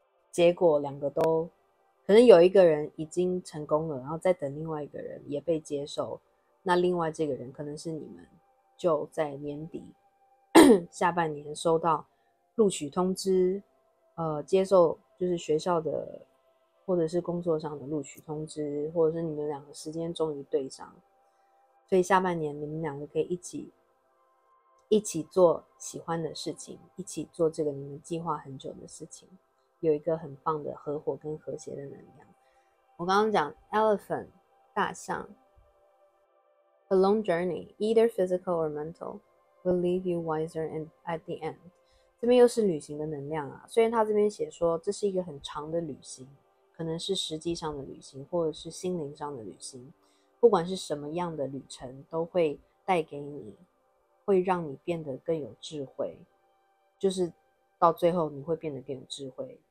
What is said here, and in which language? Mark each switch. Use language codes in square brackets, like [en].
[zh] 结果两个都可能有一个人已经成功了，然后再等另外一个人也被接受，那另外这个人可能是你们就在年底下半年收到录取通知，接受就是学校的或者是工作上的录取通知，或者是你们两个时间终于对上，所以下半年你们两个可以一起做喜欢的事情，一起做这个你们计划很久的事情，有一个很棒的合伙跟和谐的能量。 [en] 我刚刚讲 elephant 大象 a long journey either physical or mental will leave you wiser and at the end，这边又是旅行的能量啊。 [zh] 虽然他这边写说这是一个很长的旅行，可能是实际上的旅行或者是心灵上的旅行，不管是什么样的旅程都会带给你，会让你变得更有智慧，就是到最后你会变得更有智慧。